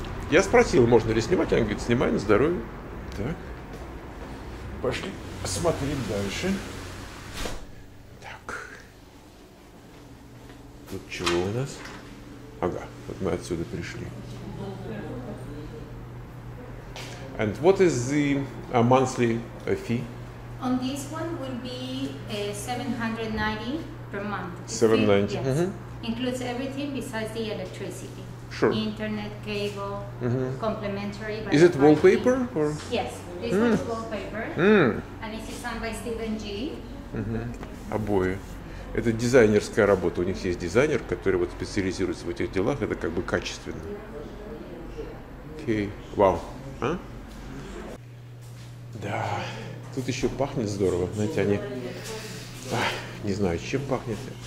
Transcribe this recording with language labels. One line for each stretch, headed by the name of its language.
Russian: Я спросил, можно ли снимать, она говорит, снимай на здоровье. Так, пошли смотреть дальше. Так, Тут чего у нас? Ага, вот мы отсюда пришли.
English: And what is the monthly fee? On this one will be $790 per month. $790. Yes. Mm-hmm. Includes everything besides the electricity. Sure. Internet, cable, complimentary. Is it wallpaper? Or? Yes, this one is wallpaper. And it is done by Stephen G.
Russian: Обои. Это дизайнерская работа. У них есть дизайнер, который вот специализируется в этих делах. Это как бы качественно. Окей. Вау. А? Да. Тут еще пахнет здорово. Знаете, они... не знаю, чем пахнет.